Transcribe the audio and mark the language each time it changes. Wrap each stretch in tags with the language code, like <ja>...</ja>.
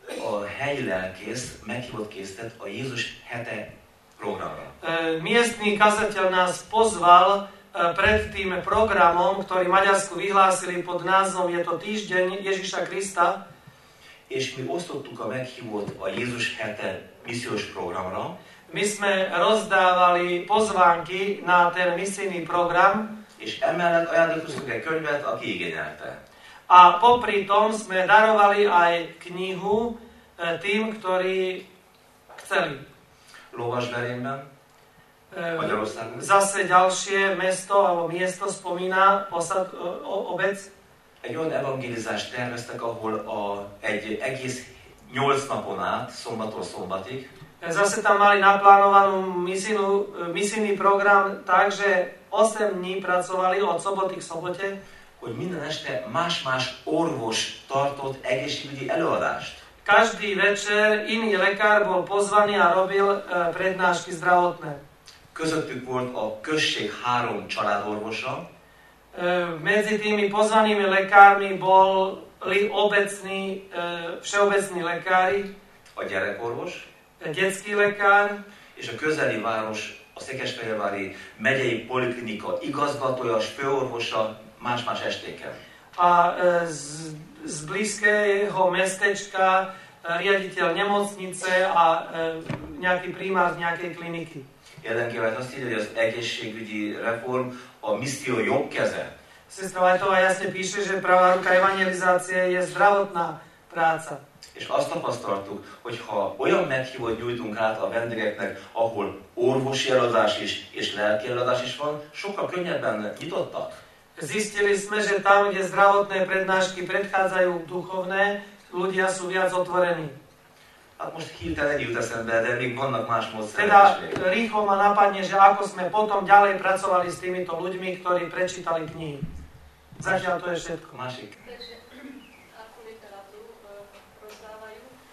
<hu>A helyi lelkész meghívót készített a Jézus hete programra.</hu> <sk>Miestný kazateľ nás pozval pred tým programom, ktorý Maďarsku vyhlásili pod názvom Je to týždeň Ježiša Krista.</sk> <hu>És mi osztottuk a meghívót a Jézus hete missziós programra.</hu> <sk>My sme rozdávali pozvánky na ten misijný program.</sk> <hu>És emellett ajándékoztunk egy könyvet, aki igényelte.</hu> <sk>A popri tom sme darovali aj knihu tým, ktorí chceli.</sk> <hu>Lovasberényben, Magyarországon.</hu> <sk>Zase ďalšie mesto, alebo miesto spomína osad, obec.</sk> <hu>Egy olyan evangelizást terveztek, ahol a, egy egész 8 napon át, szombattól szombatig.</hu> <sk>Zase tam mali naplánovanú misijný program, takže 8 dní pracovali od soboty k sobote.</sk> <hu>Hogy minden este más-más orvos tartott egészségügyi előadást.</hu> <sk>Každý večer iný lekár bol pozvaný a robil prednášky zdravotné.</sk> <hu>Közöttük volt a község három családorvosa.</hu> <sk>Medzi tými pozvanými lekármi boli obecní, všeobecní lekári.</sk> <hu>A gyerekorvos.</hu> <sk>Detský lekár.</sk> <hu>És a közeli város, a székesfehérvári megyei poliklinika igazgatója, főorvosa. Más-más estéken.</hu> <sk>A z blízkeho mestečka riaditeľ nemocnice a nejaký primár nejakej kliniky.</sk> <hu>Jeden kívánc azt írja, hogy az egészségügyi reform a misszió jobb keze.</hu> <sk>Sestra Vajtová jasne píše, že pravá ruka evangelizácie je zdravotná práca.</sk> <hu>És azt tapasztaltuk, hogyha olyan meghívót nyújtunk át a vendégeknek, ahol orvosi előadás is és lelki előadás is van, sokkal könnyebben nyitottak.</hu> <sk>Zistili sme, že tam, kde zdravotné prednášky predchádzajú duchovné, ľudia sú viac otvorení. A možno chýtať nejú ta sem bede, mi vannak máš moc sredačne. Teda rýchlo ma napadne, že ako sme potom ďalej pracovali s týmito ľuďmi, ktorí prečítali knihy. Zatiaľ to je všetko.</sk> <hu>Mašik.</hu> <sk>Takže, akú literatúru rozdávajú?</sk>